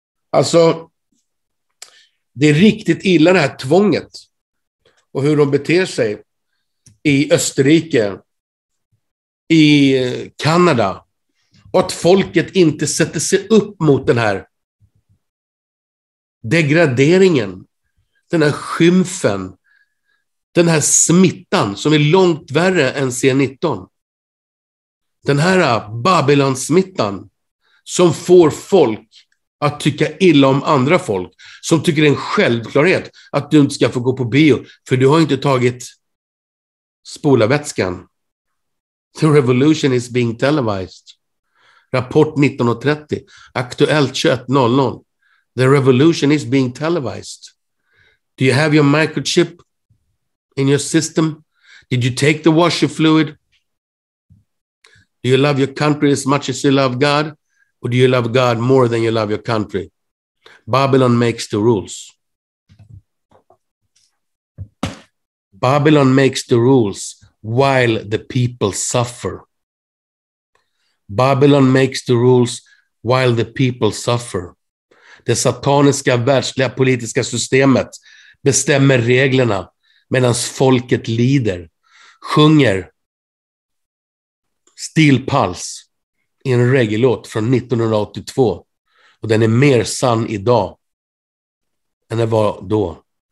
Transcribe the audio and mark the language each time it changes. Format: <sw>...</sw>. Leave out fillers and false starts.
<sv>Alltså, det är riktigt illa det här tvånget och hur de beter sig i Österrike, i Kanada, och att folket inte sätter sig upp mot den här degraderingen, den här skymfen, den här smittan som är långt värre än C19. Den här Babylonsmittan som får folk att tycka illa om andra folk, som tycker det är en självklarhet att du inte ska få gå på bio för du har inte tagit spolarvätskan.</sv> <en>The revolution is being televised. Rapport 19.30. Aktuellt 21.00. The revolution is being televised. Do you have your microchip in your system? Did you take the washer fluid? Do you love your country as much as you love God? Or do you love God more than you love your country? Babylon makes the rules. Babylon makes the rules while the people suffer. Babylon makes the rules while the people suffer.</en> <sv>Det sataniska världsliga politiska systemet bestämmer reglerna medan folket lider, sjunger Steel Pulse i en reggelåt från 1982. Och den är mer sann idag än det var då.</sv>